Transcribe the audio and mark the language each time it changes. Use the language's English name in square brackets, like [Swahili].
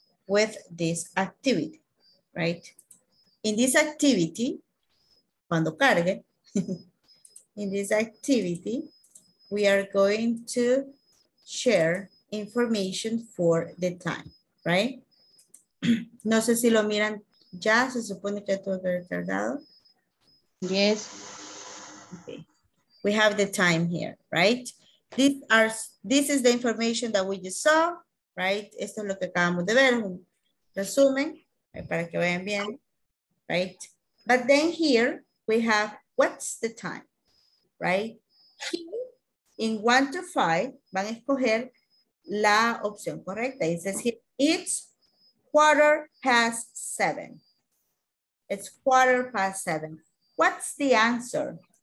[English] With this activity, right? In this activity, [Spanish] cuando cargue, [English] in this activity, we are going to share information for the time. Right? [Spanish] No sé si lo miran ya, se supone que todo está cargado. [English] Yes. Okay. We have the time here, right? This is the information that we just saw, right? [Spanish] Esto es lo que acabamos de ver, un resumen, para que vayan bien, right? [English] But then here we have what's the time, right? Here, in 1 to 5, [Spanish] van a escoger la opción correcta. [English] It says here, it's 7:15. It's 7:15. What's the answer?